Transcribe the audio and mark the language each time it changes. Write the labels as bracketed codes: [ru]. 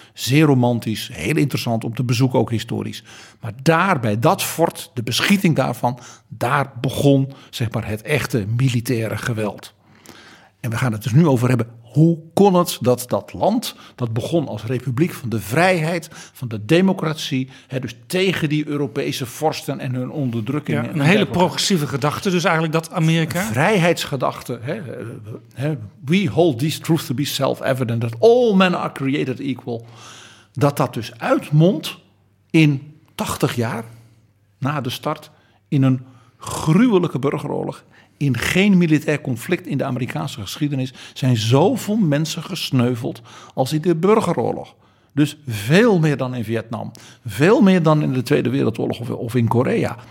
[nl] Zeer romantisch, heel interessant om te bezoeken, ook historisch. Maar daar bij dat fort, de beschieting daarvan, daar begon zeg maar het echte militaire geweld. En we gaan het dus nu over hebben, hoe kon het dat dat land, dat begon als republiek van de vrijheid, van de democratie, dus tegen die Europese vorsten en hun onderdrukking. Ja, een hele progressieve gedachte dus eigenlijk, dat Amerika. Een vrijheidsgedachte. [en] We hold these truths to be self-evident, that all men are created equal. [nl] Dat dus uitmondt in 80 jaar na de start in een gruwelijke burgeroorlog. In geen militair conflict in de Amerikaanse geschiedenis zijn zoveel mensen gesneuveld als in de burgeroorlog. Dus veel meer dan in Vietnam. Veel meer dan in de Tweede Wereldoorlog of in Korea.